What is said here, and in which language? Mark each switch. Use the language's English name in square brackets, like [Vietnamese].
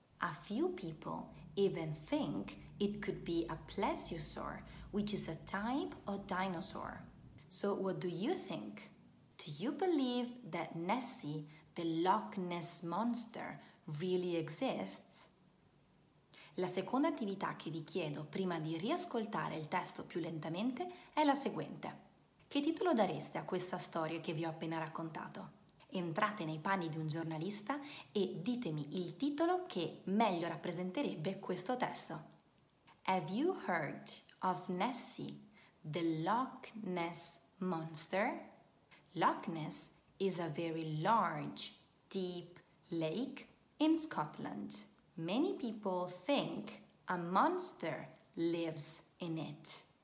[English] A few people even think it could be a plesiosaur, which is a type of dinosaur. So what do you think? Do you believe that Nessie, the Loch Ness monster, really exists? [Italian] La seconda attività che vi chiedo prima di riascoltare il testo più lentamente è la seguente. Che titolo dareste a questa storia che vi ho appena raccontato? Entrate nei panni di un giornalista e ditemi il titolo che meglio rappresenterebbe questo testo. [English] Have you heard of Nessie, the Loch Ness Monster? Loch Ness is a very large, deep lake in Scotland. Many people think a monster lives in it.